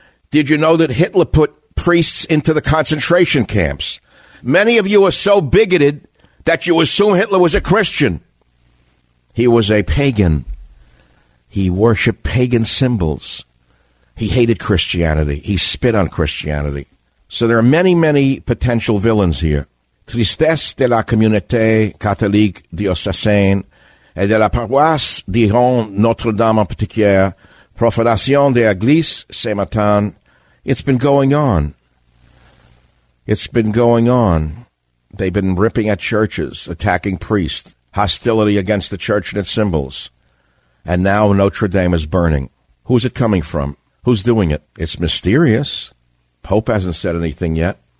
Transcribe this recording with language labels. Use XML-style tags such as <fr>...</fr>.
<en>Did you know that Hitler put priests into the concentration camps? Many of you are so bigoted that you assume Hitler was a Christian. He was a pagan. He worshipped pagan symbols. He hated Christianity. He spit on Christianity. So there are many, many potential villains here.</en> <fr>Tristesse de la communauté catholique diocésaine et de la paroisse Dijon Notre-Dame en particulier, profanation de l'église ce matin.</fr> <en>It's been going on. It's been going on. They've been ripping at churches, attacking priests, hostility against the church and its symbols. And now Notre-Dame is burning. Who's it coming from? Who's doing it? It's mysterious. Pope hasn't said anything yet.</en>